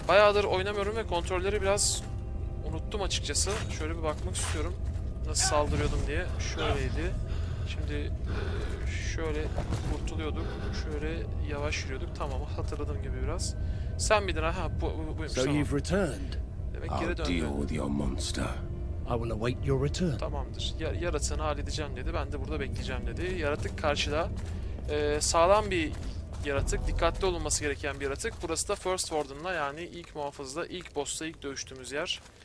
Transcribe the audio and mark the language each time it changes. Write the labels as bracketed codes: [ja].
[tr] Bayağıdır oynamıyorum ve kontrolleri biraz unuttum açıkçası. Şöyle bir bakmak istiyorum. Nasıl saldırıyordum diye. Şöyleydi. Şimdi şöyle kurtuluyorduk. Şöyle yavaş yürüyorduk. Tamam, hatırladığım gibi biraz. Sen miydin ha? Buymuş. [en] So you've returned. [tr] Demek geri döndü. [en] I'll deal with your monster. I will await your return. [tr] Tamamdır. Yaratığını halledeceğim dedi. Ben de burada bekleyeceğim dedi. Yaratık karşıda. Sağlam bir yaratık. Dikkatli olunması gereken bir yaratık. Burası da First Warden'la, yani ilk muhafızda, ilk boss'ta ilk dövüştüğümüz yer.